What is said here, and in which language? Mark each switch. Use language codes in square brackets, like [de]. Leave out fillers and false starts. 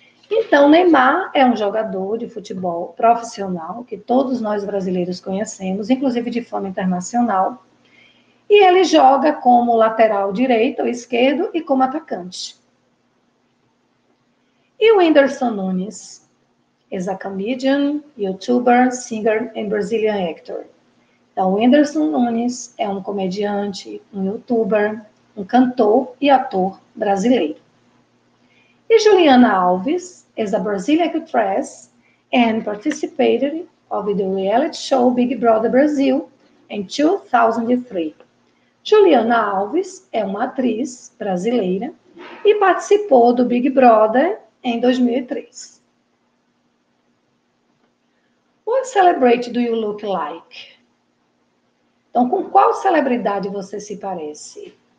[pt] Então, Neymar é um jogador de futebol profissional que todos nós brasileiros conhecemos, inclusive de fama internacional. E ele joga como lateral direito ou esquerdo e como atacante. E o Whindersson Nunes? [en] Is a comedian, YouTuber, singer and Brazilian actor. [pt] Então, Whindersson Nunes é um comediante, um YouTuber, um cantor e ator brasileiro. [en] E Juliana Alves is a Brazilian actress and participated of the reality show Big Brother Brazil in 2003. [pt] Juliana Alves é uma atriz brasileira e participou do Big Brother em 2003. What celebrity do you look like? Então, com qual celebridade você se parece?